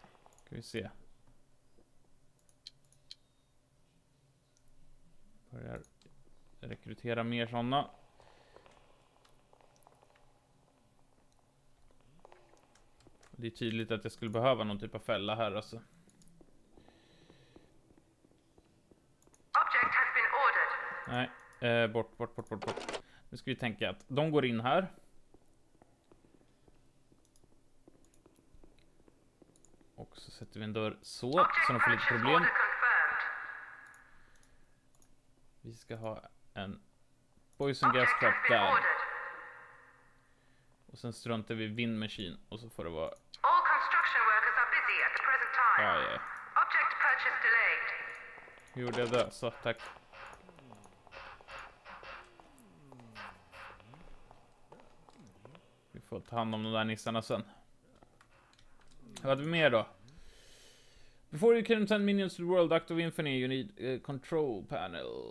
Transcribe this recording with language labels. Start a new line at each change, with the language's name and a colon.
Swedish: Ska vi se. Börjar rekrytera mer sådana. Det är tydligt att jag skulle behöva någon typ av fälla här alltså.
English: Object has been ordered.
Swedish: Nej, bort. Nu ska vi tänka att de går in här. Och Så sätter vi en dörr så, så de får lite problem. Vi ska ha en poison gas trap där. Och sen struntar vi wind machine och så får det vara...
English: All construction workers are busy at the present time. Ah, yeah. Object purchase delayed.
Swedish: Hur gjorde jag det? Så, tack. Vi får ta hand om de där nissarna sen. Vad hade vi mer då?
English: Before you can send minions to the world, Act of Infinity, you need a control panel.